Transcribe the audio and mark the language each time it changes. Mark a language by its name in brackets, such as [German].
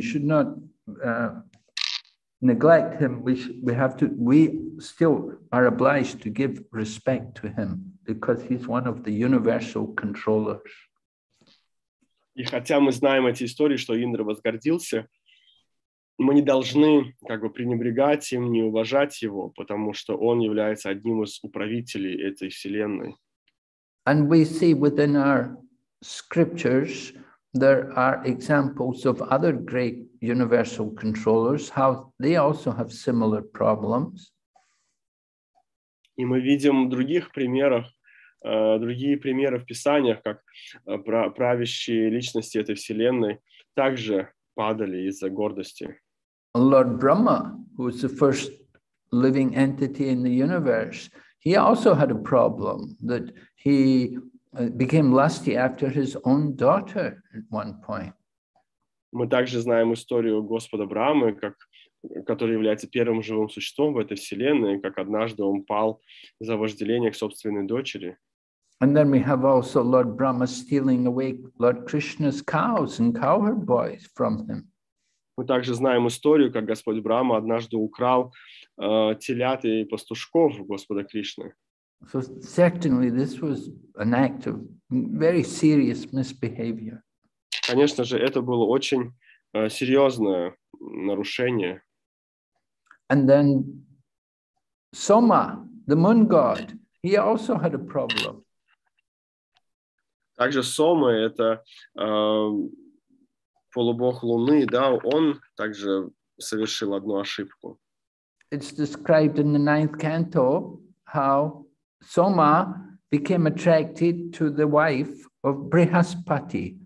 [English] We should not neglect him. We still are obliged to give respect to him because he's one of the universal controllers. [Russian] И хотя мы знаем эти истории, что Индра возгордился, мы не должны как бы пренебрегать им, не уважать его, потому что он является одним из управителей этой вселенной. [English] And we see within our scriptures, there are examples of other great universal controllers, how they also have similar problems. [Russian] И мы видим в других примерах, другие примеры в писаниях, как правящие личности этой вселенной также падали из-за гордости. [English] Lord Brahma, who was the first living entity in the universe, he also had a problem that he became lusty after his own daughter at one point. [Russian] Мы также знаем историю Господа Брамы, как, который является первым живым существом в этой вселенной, как однажды он пал за вожделение к собственной дочери. [English] And then we have also Lord Brahma stealing away Lord Krishna's cows and cowherd boys from him. [Russian] Мы также знаем историю, как Господь Брама однажды украл телят и пастушков Господа Кришны. [English] So certainly this was an act of very serious misbehavior. [Russian] Конечно же, это было очень серьезное нарушение. [English] And then Soma, the moon god, he also had a problem. [Russian] Также Сома, это полубог Луны, да, он также совершил одну ошибку. [English] It's described in the ninth canto how Soma became attracted to the wife of Brihaspati.